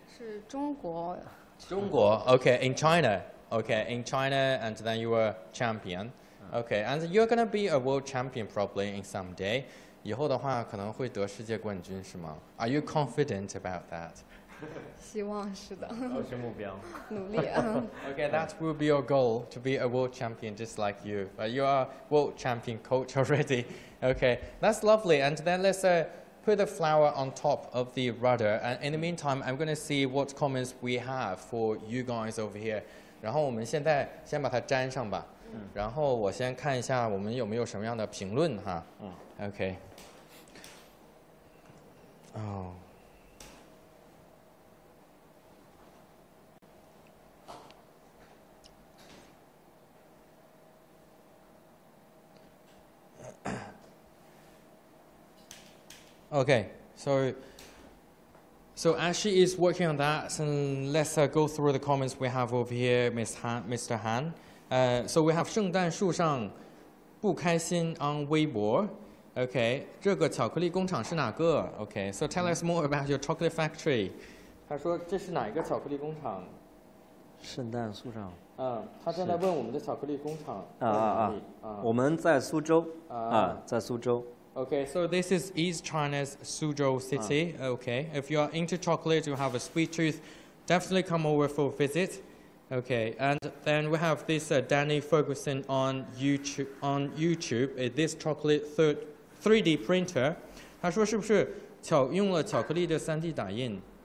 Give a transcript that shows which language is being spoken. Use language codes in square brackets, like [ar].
[zh] 去年世界冠军用了这幅作品。是中国。中国 [en] ，Okay, in China. Okay, in China, and then you were champion. Okay, and you're gonna be a world champion probably in some day. [zh] 以后的话可能会得世界冠军，是吗？ [en] Are you confident about that? [zh] 希望是的。我是目标。努力啊。Okay, [en] that will be your goal, to be a world champion just like you. But you are world champion coach already. Okay, that's lovely. And then let's put the flower on top of the rudder. And in the meantime, I'm gonna see what comments we have for you guys over here. [zh] 然后我们现在先把它粘上吧。然后我先看一下我们有没有什么样的评论哈。嗯。Okay. Oh. [en] Okay. So as she is working on that, and let's go through the comments we have over here, Mr. Han. So we have 圣诞树上不开心 on Weibo. [zh] Okay, 这个巧克力工厂是哪个？ [en] Okay, so tell us more about your chocolate factory. [zh] 他说这是哪一个巧克力工厂？圣诞树上。他正在问我们的巧克力工厂。啊啊啊！我们在苏州。啊，在苏州。Okay, [en] so this is East China's Suzhou City. Okay, if you are into chocolate, you have a sweet tooth, definitely come over for a visit. Okay, and then we have this Danny Ferguson on YouTube, this chocolate 3D printer. [zh] 他说是不是用了巧克力的3D打印?